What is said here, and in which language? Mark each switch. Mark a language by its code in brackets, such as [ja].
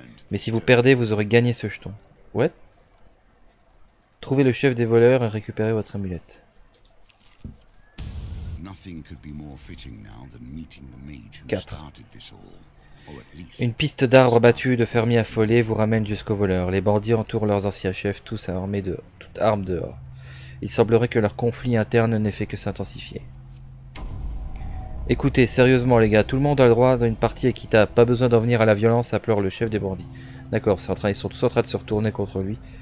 [fr] Mais si vous perdez, vous aurez gagné ce jeton. [en] What? [fr] Trouvez le chef des voleurs et récupérez votre amulette. [en] Nothing could be more fitting now than meeting the mage who started this all. [fr] Une piste d'arbres battus de fermiers affolés vous ramène jusqu'au voleur. Les bandits entourent leurs anciens chefs, tous armés de toutes armes dehors. Il semblerait que leur conflit interne n'ait fait que s'intensifier. Écoutez, sérieusement les gars, tout le monde a le droit d'une partie équitable. Pas besoin d'en venir à la violence, à pleurer le chef des bandits. D'accord, ils sont tous en train de se retourner contre lui.